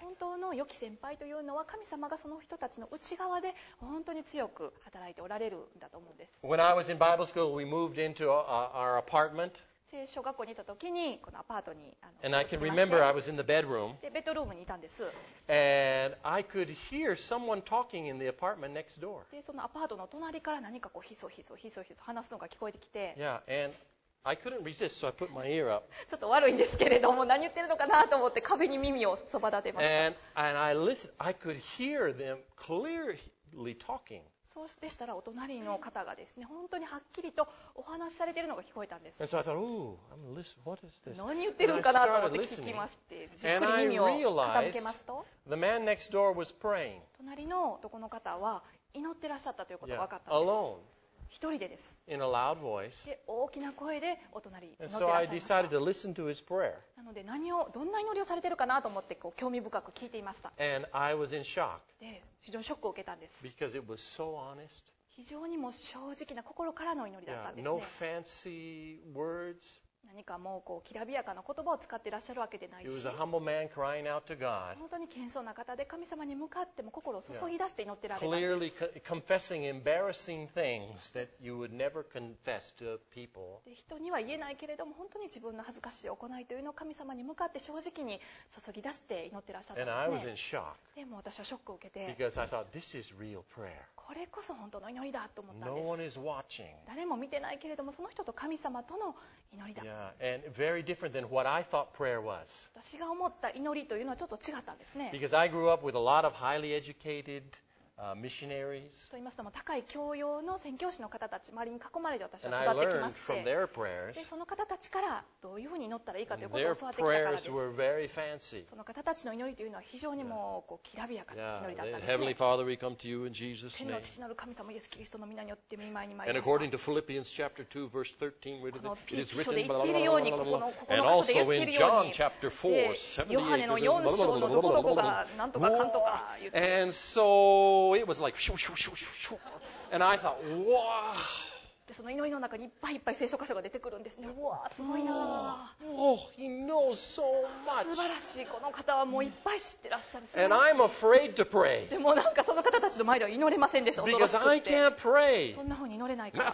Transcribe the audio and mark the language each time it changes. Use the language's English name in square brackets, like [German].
[Japanese] 本当の良き先輩というのは神様がその人たちの内側で本当に強く働いておられるんだと思うんです。 [English] When I was in Bible school, we moved into our apartment. [Japanese] 聖書学校にいた時にこのアパートに [English] And I can remember I was in the bedroom. [Japanese] でベッドルームにいたんです。 [English] And I could hear someone talking in the apartment next door. [Japanese] でそのアパートの隣から何かこうひそひそひそひそ話すのが聞こえてきて。 [English] Yeah, and I couldn't resist, so I put my ear up. [Japanese] ちょっと悪いんですけれども何言ってるのかなと思って壁に耳をそば立てました。 [English] And I listened. I could hear them clearly talking. [Japanese] そうでしたらお隣の方がですね本当にはっきりとお話しされているのが聞こえたんです。 [English] And so I thought, ooh, I'm listening. What is this? [Japanese] 何言ってるんかなと思って聞きますってじっくり耳を傾けますと。 [English] And I realized the man next door was praying. [Japanese] 隣の男の方は祈ってらっしゃったということが分かったんです。 [English] Yeah, alone. [Japanese] 一人でです。 [English] In a loud voice. [Japanese] で大きな声でお隣祈ってらっしゃいました [English] And so I decided to listen to his prayer. [Japanese] なので何をどんな祈りをされてるかなと思ってこう興味深く聞いていました。 [English] And I was in shock. [Japanese] で非常にショックを受けたんです。 [English] Because it was so honest. [Japanese] 非常にも正直な心からの祈りだったんですね。 [English] No fancy words. [Japanese] 何かもうこうきらびやかな言葉を使っていらっしゃるわけでないし。 [English] He was a humble man crying out to God. [Japanese] 本当に謙遜な方で神様に向かっても心を注ぎ出して祈ってられたんです。 [English] Yeah. Clearly confessing embarrassing things that you would never confess to people. [Japanese] で人には言えないけれども本当に自分の恥ずかしい行いというのを神様に向かって正直に注ぎ出して祈ってらっしゃったんですね。 [English] And I was in shock. [Japanese] でも私はショックを受けて。 [English] Because I thought this is real prayer. [Japanese] これこそ本当の祈りだと思ったんです。 [English] No、 [Japanese] 誰も見てないけれども、その人と神様との祈りだ。 [English] Yeah, and very different than what I thought prayer was. [Japanese] 私が思った祈りというのはちょっと違ったんですね。 [English] Because I grew up with a lot of highly educated, missionaries. [Japanese] と言いますのも、高い教養の宣教師の方たち、周りに囲まれて私は育ってきまして。 [English] And I learned from their prayers. [Japanese] で、その方たちからどういうふうに祈ったらいいかということを教わってきたからです。 [English] Their prayers were very fancy. [Japanese] その方たちの祈りというのは非常にもうこうきらびやかな祈りだったんですね。 [English] Heavenly Father, we come to you in Jesus' name. [Japanese] 天の父なる神様、イエス・キリストの御名によって御前に参りました。 [English] And according to Philippians chapter 2, verse 13, where it is written, blah, blah, blah, blah, blah, blah, blah. And also in John chapter 4, 78, blah, blah, blah, blah, blah, blah, blah, blah, blah, blah, blah, blah, blah, blah, blah, It was like, shoo, shoo, shoo, shoo, shoo. And I thought, wow. [Japanese] でその祈りの中にいっぱいいっぱい聖書箇所が出てくるんですね。わあ、すごいな。 [English] Oh, he knows so much. [Japanese] 素晴らしい。この方はもういっぱい知ってらっしゃる。 [English] And I'm afraid to pray. [Japanese] でもなんかその方たちの前では祈れませんでした。 [English] Because I can't pray. [Japanese] そんな風に祈れないから。